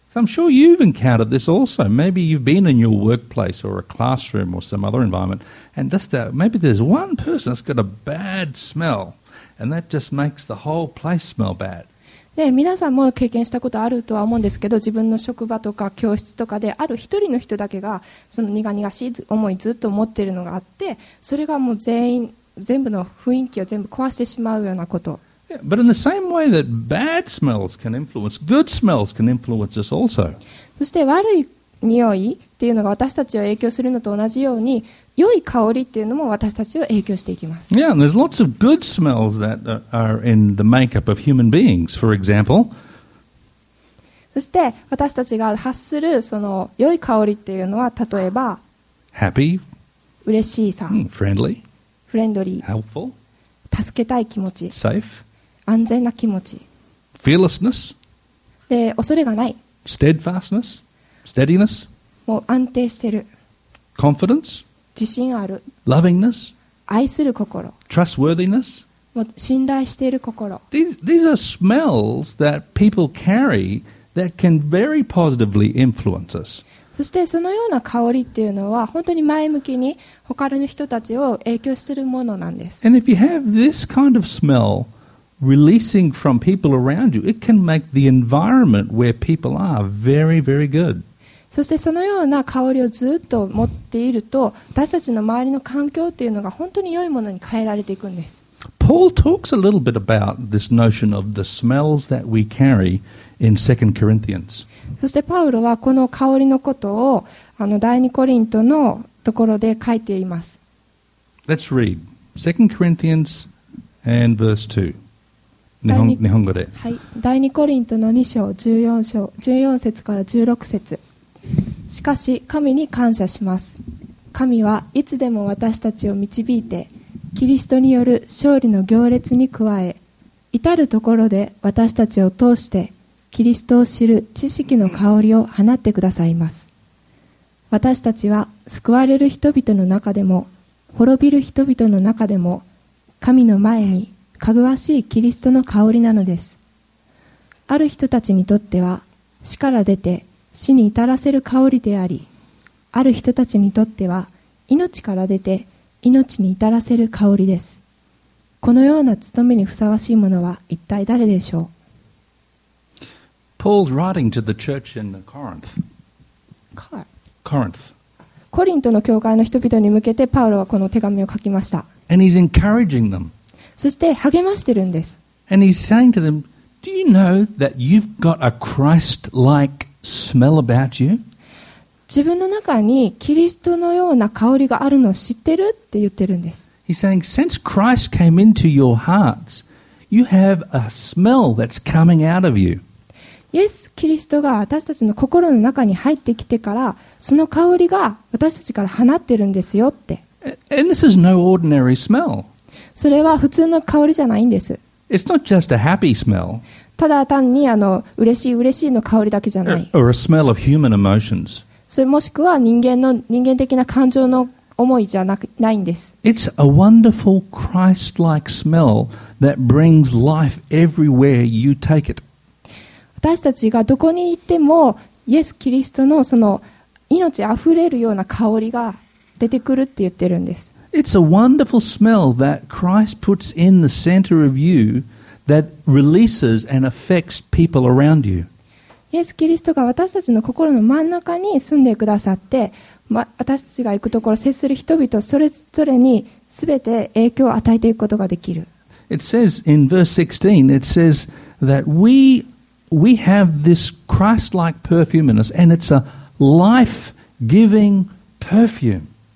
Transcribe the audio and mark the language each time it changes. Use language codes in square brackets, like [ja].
[en] So I'm sure you've encountered this also. Maybe you've been in your workplace or a classroom or some other environment, and just that maybe there's one person that's got a bad smell, and that just makes the whole place smell bad. [ja] で、皆さんも経験したことあるとは思うんですけど、自分の職場とか教室とかである一人の人だけがその苦々しい思いずっと持っているのがあって、それがもう全員全部の雰囲気を全部壊してしまうようなこと。 [en] Yeah, but in the same way that bad smells can influence, good smells can influence us also. [ja] そして悪い匂いっていうのが私たちを影響するのと同じように、良い香りっていうのも私たちを影響していきます。 [en] Yeah, and there's lots of good smells that are in the makeup of human beings, for example. [ja] そして私たちが発するその良い香りっていうのは例えば、 [en] happy, [ja] 嬉しいさ、 [en] friendly. [ja] フレンドリー、 [en] Helpful. [ja] 助けたい気持ち、 [en] Safe. [ja] 安全な気持ち、 [en] Fearlessness. [ja] で恐れがない、 [en] Steadfastness. Steadiness. [ja] もう安定してる、 [en] Confidence. [ja] 自信ある、 [en] Lovingness. [ja] 愛する心、 [en] Trustworthiness. [ja] もう信頼している心。 [en] These are smells that people carry that can very positively influence us. [ja] そしてそのような香りっていうのは本当に前向きに他の人たちを影響しているものなんです。 [en] And if you have this kind of smell releasing from people around you, it can make the environment where people are very, very good. [ja] そしてそのような香りをずっと持っていると、私たちの周りの環境っていうのが本当に良いものに変えられていくんです。 [en] Paul talks a little bit about this notion of the smells that we carry in 2 Corinthians. [ja] そしてパウロはこの香りのことを第二コリントのところで書いています。 [en] Let's read 2 Corinthians and verse 2 [ja] 日本語で、はい、第二コリントの2章14節から16節。しかし神に感謝します。神はいつでも私たちを導いてキリストによる勝利の行列に加え至るところで私たちを通してキリストを知る知識の香りを放ってくださいます。私たちは救われる人々の中でも滅びる人々の中でも神の前にかぐわしいキリストの香りなのです。ある人たちにとっては死から出て死に至らせる香りであり、ある人たちにとっては命から出て命に至らせる香りです。このような務めにふさわしいものは一体誰でしょう。 [en] Paul's writing to the church in Corinth. Corinth. [ja] コリントの教会の人々に向けてパウロはこの手紙を書きました。 [en] And he's encouraging them. [ja] そして励ましてるんです。 [en] And he's saying to them, Do you know that you've got a Christ-like smell about you? [ja] 自分の中にキリストのような香りがあるのを知ってるって言ってるんです。 [en] He's saying, since Christ came into your hearts, you have a smell that's coming out of you. [ja] Yes, キリストが私たちの心の中に入ってきてから、その香りが私たちから放ってるんですよって。 [en] And this is no ordinary smell. [ja] それは普通の香りじゃないんです。 [en] It's not just a happy smell. [ja] ただ単にあの嬉しい嬉しいの香りだけじゃない。 [en] Or a smell of human emotions. [ja] それもしくは人間的な感情の思いじゃないんです。 [en] It's a wonderful Christ-like smell that brings life everywhere you take it. [ja] 私たちがどこに行っても、イエス・キリストのその命あふれるような香りが出てくるって言ってるんです。 [en] It's a wonderful smell that Christ puts in the center of you that releases and affects people around you. [ja] イエス・キリストが私たちの心の真ん中に住んでくださって、私たちが行くところ、接する人々それぞれに全て影響を与えていくことができる。 [en] It says in verse 16, it says that we have this Christ-like perfume in us, and it's a life-giving perfume.